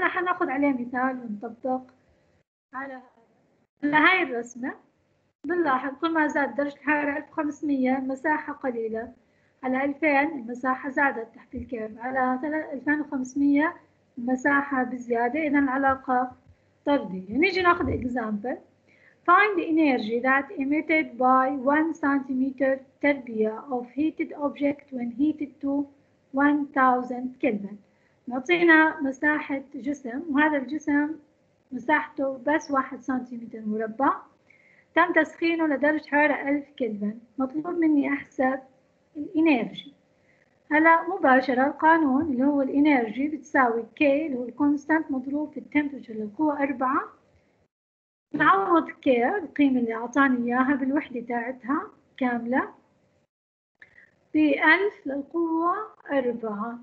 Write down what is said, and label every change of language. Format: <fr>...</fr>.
<ar>هلا حناخد عليه مثال ونطبق على هاي الرسمة. بنلاحظ كل ما زاد درجة الحرارة 1500 المساحة قليلة، على 2000 المساحة زادت تحت الكيرف، على 2500 المساحة بزيادة، إذا العلاقة طردية. نيجي ناخذ example.</ar> <en>Find the energy that emitted by 1 cm تربيع of heated object when heated to 1000 kelvin.</en> <ar>نعطينا مساحة جسم، وهذا الجسم مساحته بس 1 cm مربع، تم تسخينه لدرجة حرارة 1000 كلفن، مطلوب مني أحسب الإنرجي. هلا مباشرة القانون اللي هو الإنرجي بتساوي K اللي هو الكونستانت مضروب في التمبرتشر للقوة 4، نعوض K القيمة اللي أعطاني إياها بالوحدة تاعتها كاملة ب 1000 للقوة 4.</ar>